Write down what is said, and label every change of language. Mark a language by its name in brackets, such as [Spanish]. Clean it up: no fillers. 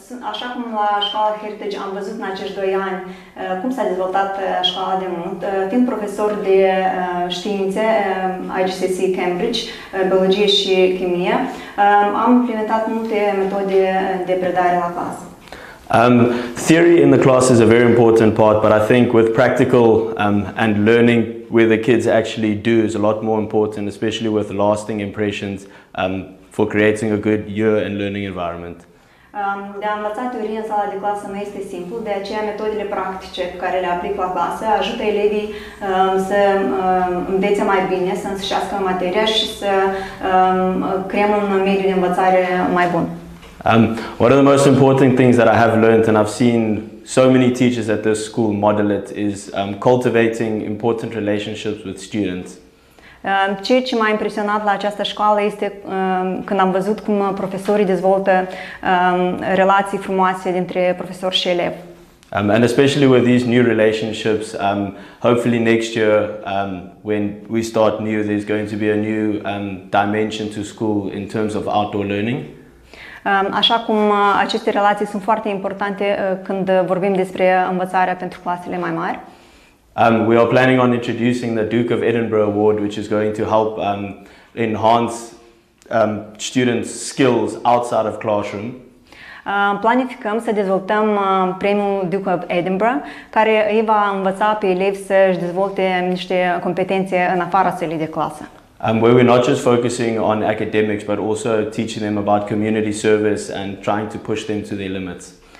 [Romanian] Așa cum la școala Heritage am văzut în acești 2 ani cum s-a dezvoltat școala de mult, fiind profesor de științe, IGCSE Cambridge, biologie și chimie, am implementat multe metode de predare la clasă. [English] Theory in the class is a very important part, but I think with practical and learning where the kids actually do is a lot more important, especially with lasting impressions for creating a good year and learning environment. [Romanian] De a învăța teorie în sala de clasă nu este simplu, de aceea metodele practice pe care le aplic la clasă ajută elevii să învețe mai bine, să însușească materia și să creăm un mediu de învățare mai bun. [English] One of the most important things that I have learned, and I've seen so many teachers at this school model it, is cultivating important relationships with students. [Romanian] Ceea ce m-a impresionat la această școală este când am văzut cum profesorii dezvoltă relații frumoase dintre profesor și elev. [English] And especially with these new relationships, hopefully next year when we start new, there's going to be a new dimension to school in terms of outdoor learning. [Romanian] Așa cum aceste relații sunt foarte importante când vorbim despre învățarea pentru clasele mai mari. [English] We are planning on introducing the Duke of Edinburgh Award, which is going to help enhance students' skills outside of classroom. [Romanian] Planificăm să dezvoltăm premiul Duke of Edinburgh, care îi va învăța pe elevi să-și dezvolte niște competențe în afara celei de clasă. [English] Where we're not just focusing on academics, but also teaching them about community service and trying to push them to their limits.